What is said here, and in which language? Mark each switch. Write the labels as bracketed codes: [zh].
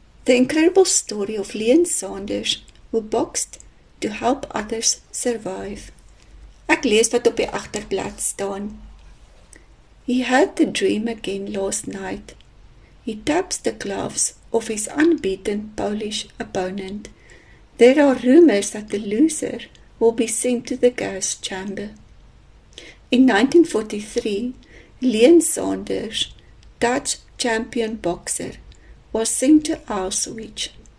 [en] The incredible story of Leon Sanders who boxed to help others survive. [af] Ek lees wat op die agterblad staan. [en] He had the dream again last night. He taps the gloves of his unbeaten Polish opponent. There are rumors that the loser will be sent to the gas chamber. In 1943, Leon Sanders, Dutch champion boxer, was sent to Auschwitz.